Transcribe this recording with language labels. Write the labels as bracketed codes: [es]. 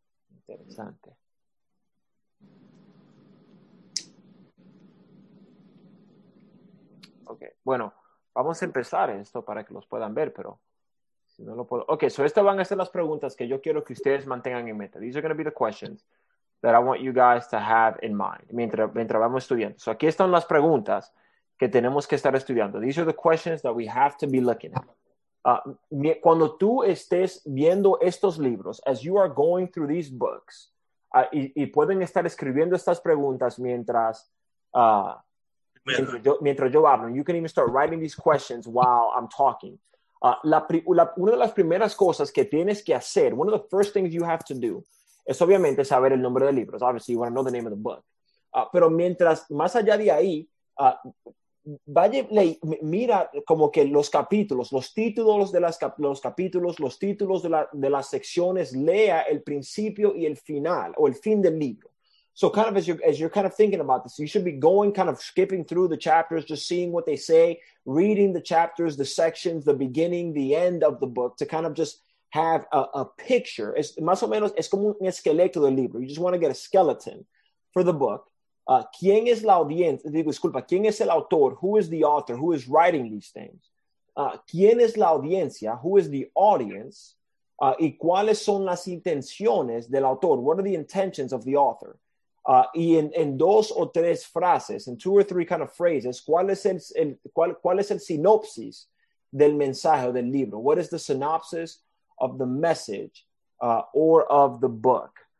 [es] Interesante. Ok, bueno, vamos a empezar esto para que los puedan ver, pero si no lo puedo. Ok, so estas van a ser las preguntas que yo quiero que ustedes mantengan en mente. [en] These are going to be the questions that I want you guys to have in mind [es] mientras vamos estudiando. So aquí están las preguntas que tenemos que estar estudiando. [en] These are the questions that we have to be looking at. [es] Cuando tú estés viendo estos libros, [en] as you are going through these books, [es] y pueden estar escribiendo estas preguntas mientras yo hablo, [en] you can even start writing these questions while I'm talking. [es] Una de las primeras cosas que tienes que hacer, [en] one of the first things you have to do, [es] es obviamente saber el nombre del libro. [en] Obviously, you want to know the name of the book. [es] Pero mientras, más allá de ahí, mira como que los capítulos, los títulos de los capítulos, los títulos de las secciones, lea el principio y el final, o el fin del libro. [en] So kind of as you're kind of thinking about this, you should be going, kind of skipping through the chapters, just seeing what they say, reading the chapters, the sections, the beginning, the end of the book, to kind of just have a picture. [es] Es más o menos, es como un esqueleto del libro. [en] You just want to get a skeleton for the book. [es] ¿Quién es la audiencia? Digo, disculpa, ¿quién es el autor? [en] Who is the author? Who is writing these things? [es] ¿Quién es la audiencia? [en] Who is the audience? [es] ¿Y cuáles son las intenciones del autor? [en] What are the intentions of the author? [es] Y en dos o tres frases, [en] in two or three kind of phrases, [es] ¿cuál es el sinopsis del mensaje del libro? [en] What is the synopsis of the message or of the book?